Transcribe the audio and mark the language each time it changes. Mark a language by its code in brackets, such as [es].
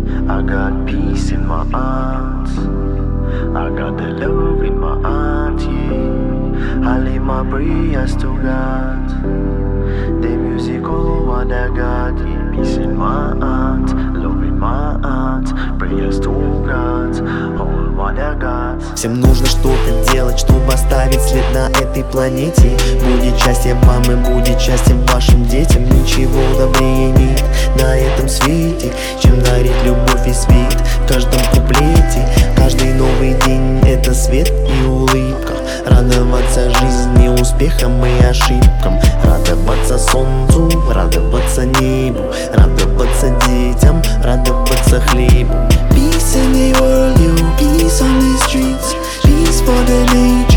[en] I got peace in my heart, I got the love in my heart, yeah. I leave my prayers to God, the music all what I got, yeah. Peace in my heart, love in my heart, prayers to God, all what I got. [ru] Всем нужно что-то делать, чтобы оставить след на этой планете. Будет счастье вам и будет счастье вашим детям. Ничего добрее нет на этом свете, чем дарить любовь и свет в каждом куплете. Каждый новый день — это свет и улыбка. Радоваться жизни, успехам и ошибкам. Радоваться солнцу, радоваться небу, радоваться детям, радоваться хлебу. [en] Peace in the world, you peace on the streets. Peace for the nation.